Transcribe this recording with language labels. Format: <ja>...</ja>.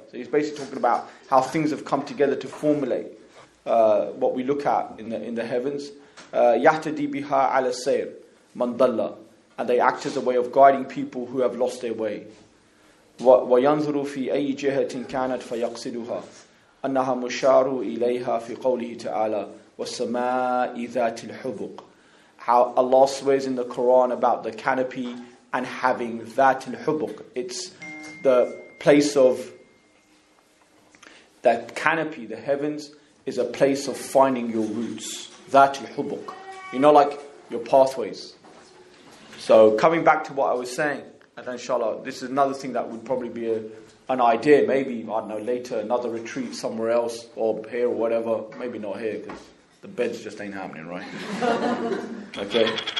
<en>So he's basically talking about how things have come together to formulate what we look at in the heavens.</en> <ar>يَحْتَدِي بِهَا عَلَى السَّيْرِ مَنْ ضَلَّ.</ar> <en>And they act as a way of guiding people who have lost their way.</en> <ar>وَيَنْظُرُ فِي أَيِّ جِهَةٍ كَانَتْ فَيَقْصِدُهَا. أنها مشار إليها في قوله تعالى والسماء ذات الحبق.</ar> <en>how Allah swears in the Quran about the canopy and having that in Hubuk. It's the place of that canopy, the heavens, is a place of finding your roots. That Hubuk. You know, like your pathways. So coming back to what I was saying, and inshallah, this is another thing that would probably be an idea, maybe, I don't know, later, another retreat somewhere else, or here or whatever, maybe not here, because the beds just ain't happening, right? Okay?</en>